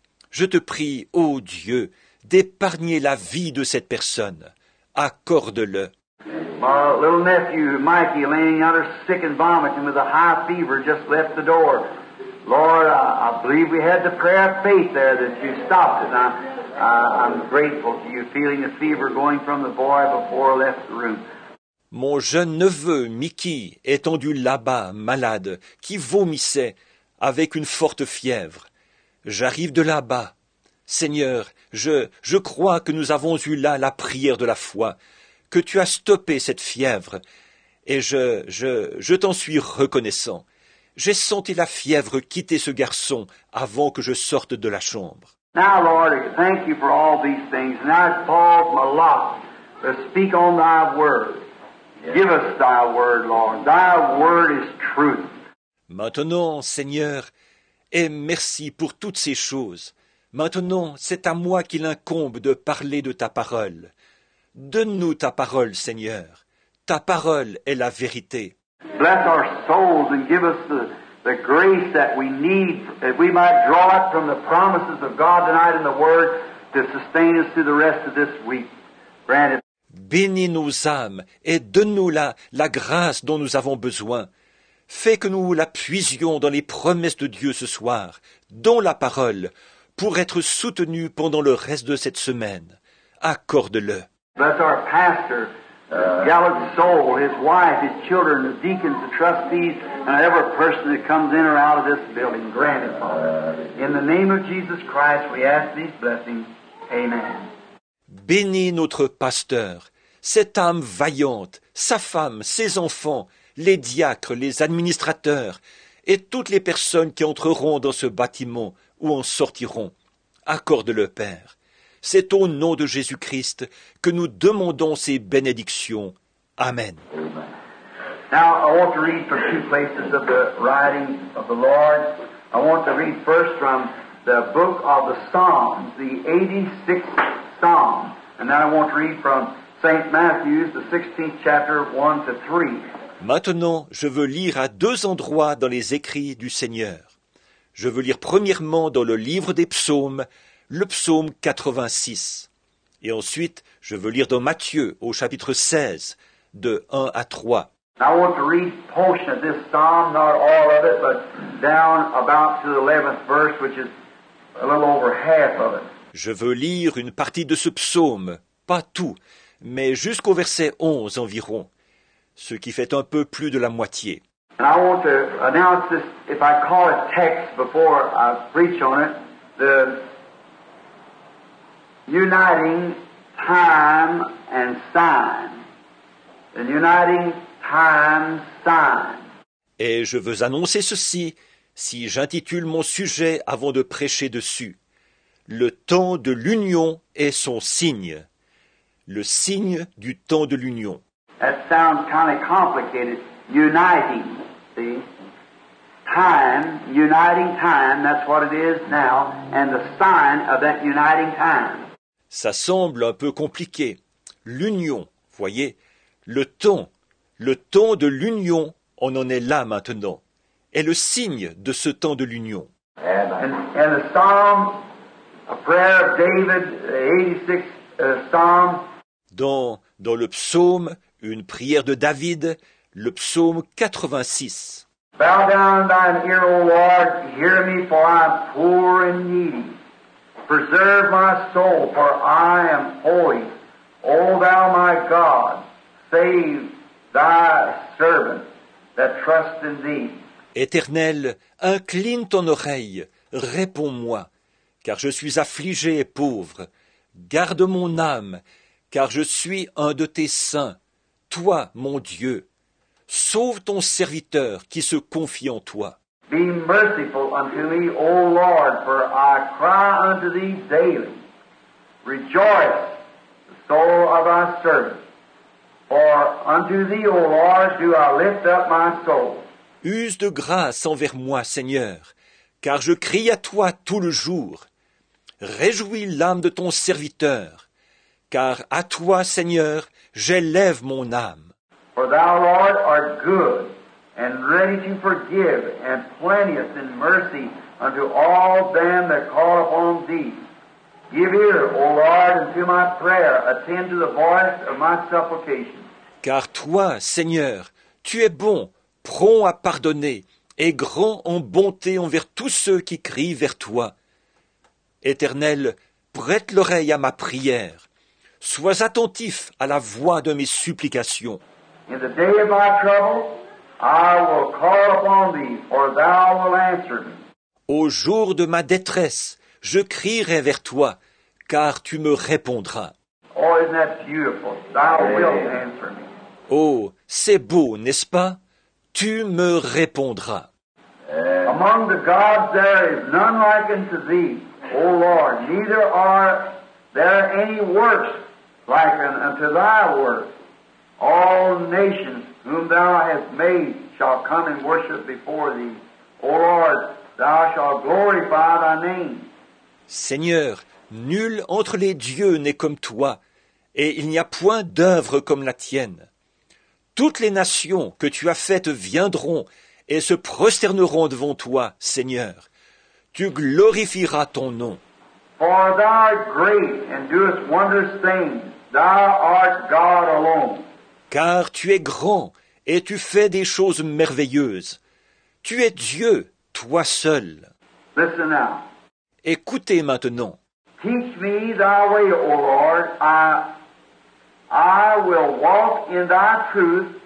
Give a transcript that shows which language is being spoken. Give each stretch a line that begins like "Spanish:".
French: Je te prie, ô Dieu, d'épargner la vie de cette personne. Accorde-le.
English: My little nephew, Mikey, laying under sick and vomiting with a high fever, just left the door. Lord, I believe we had the prayer of faith there that you stopped it. I'm grateful to you, feeling the fever going from the boy before I left the room.
French: Mon jeune neveu, Mickey, étendu là-bas, malade, qui vomissait avec une forte fièvre. J'arrive de là-bas. Seigneur, je crois que nous avons eu là la prière de la foi, que tu as stoppé cette fièvre, et je t'en suis reconnaissant. J'ai senti la fièvre quitter ce garçon avant que je sorte de la chambre.
English: Now, Lord, thank you for all these things. Now it falls my lot to speak on thy word. Give us thy word, Lord. Thy word is truth.
French: Maintenant, Seigneur, et merci pour toutes ces choses. Maintenant, c'est à moi qu'il incombe de parler de ta parole. Donne-nous ta parole, Seigneur. Ta parole est la vérité.
English: Bless our souls and give us the grace that we need, that we might draw up from the promises of God tonight in the Word to sustain us through the rest of this week. Granted.
French: Bénis nos âmes et donne-nous la grâce dont nous avons besoin. Fais que nous la puisions dans les promesses de Dieu ce soir, dans la parole, pour être soutenus pendant le reste de cette semaine. Accorde-le.
English: Bless our pastor, gallant soul, his wife, his children, the deacons, the trustees, and every person that comes in or out of this building. Grant it, Father. In the name of Jesus Christ, we ask these blessings. Amen.
French: Bénis notre pasteur, cette âme vaillante, sa femme, ses enfants, les diacres, les administrateurs et toutes les personnes qui entreront dans ce bâtiment ou en sortiront. Accorde-le, Père. C'est au nom de Jésus-Christ que nous demandons ces bénédictions. Amen.
English: Now, I want to read from two places of the writing of the Lord. I want to read first from the book of the Psalms, the 86th Psalm. And then I want to read from St. Matthew's, the 16th chapter, 1 to 3.
French: Maintenant, je veux lire à deux endroits dans les écrits du Seigneur. Je veux lire premièrement dans le livre des psaumes, le psaume 86. Et ensuite, je veux lire dans Matthieu, au chapitre 16, de 1 à 3.
English: I want to read a portion of this psalm, not all of it, but down about to the 11th verse, which is a little over half of it.
French: Je veux lire une partie de ce psaume, pas tout, mais jusqu'au verset 11 environ, ce qui fait un peu plus de la moitié.
English: And I want to announce this, if I call it text before I preach on it, the uniting time and sign. The uniting time sign.
French: Et je veux annoncer ceci si j'intitule mon sujet avant de prêcher dessus. Le temps de l'union est son signe. Le signe du temps de l'union.
English: That sounds kind of complicated. Uniting, see? Time, uniting time, that's what it is now, and the sign of that uniting time.
French: Ça semble un peu compliqué. L'union, voyez, le temps de l'union, on en est là maintenant, est le signe de ce temps de l'union.
English: And the psalm, a prayer of David, the 86th psalm.
French: Dans le psaume, une prière de David, le psaume 86.
English: Bow down thine ear, O Lord, hear me, for I am poor and needy. Preserve my soul, for I am holy. O thou my God, save thy servant that trusts in thee.
French: Éternel, incline ton oreille, réponds-moi, car je suis affligé et pauvre. Garde mon âme, car je suis un de tes saints. Toi, mon Dieu, sauve ton serviteur qui se confie en toi.
English: Be merciful unto me, O Lord, for I cry unto thee daily. Rejoice, the soul of thy servant, for unto thee, O Lord, do I lift up my soul.
French: Use de grâce envers moi, Seigneur, car je crie à toi tout le jour. Réjouis l'âme de ton serviteur, car à toi, Seigneur, j'élève mon âme.
English: For thou, Lord, art good, and ready to forgive, and plenteous in mercy unto all them that call upon thee. Give ear, O Lord, unto my prayer, attend to the voice of my supplication.
French: Car toi, Seigneur, tu es bon, prompt à pardonner, et grand en bonté envers tous ceux qui crient vers toi. Éternel, prête l'oreille à ma prière. Sois attentif à la voix de mes supplications.
English: In the day of my trouble, I will call upon thee, for thou will answer me.
French: Au jour de ma détresse, je crierai vers toi, car tu me répondras.
English: Oh, isn't that beautiful? Thou wilt answer me.
French: Oh, c'est beau, n'est-ce pas? Tu me répondras.
English: Among the gods there is none like unto thee, O Lord, neither are there any works like unto thy works. All nations whom thou hast made shall come and worship before thee. O Lord, thou shalt glorify thy name.
French: Seigneur, nul entre les dieux n'est comme toi, et il n'y a point d'œuvre comme la tienne. Toutes les nations que tu as faites viendront et se prosterneront devant toi, Seigneur. Tu glorifieras ton nom.
English: For thou art great and doest wondrous things. Thou art God alone.
French: Car tu es grand et tu fais des choses merveilleuses. Tu es Dieu, toi seul.
English: Listen now.
French: Écoutez maintenant.
English: Teach me thy way, O Lord. I will walk in thy truth.